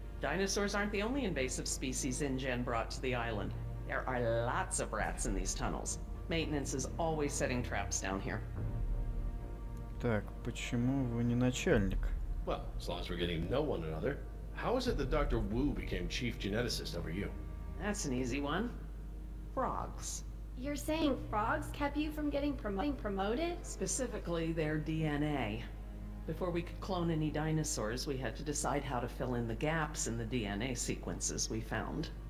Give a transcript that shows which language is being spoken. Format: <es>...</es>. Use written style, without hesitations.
<en>Dinosaurs aren't the only invasive species InGen brought to the island. There are lots of rats in these tunnels. Maintenance is always setting traps down here.</en> <ru>Так, почему вы не начальник?</ru> <en>Well, as long as we're getting to know one another, how is it that Dr. Wu became chief geneticist over you? That's an easy one. Frogs. You're saying frogs kept you from getting promoted? Specifically, their DNA. Before we could clone any dinosaurs, we had to decide how to fill in the gaps in the DNA sequences we found.</en>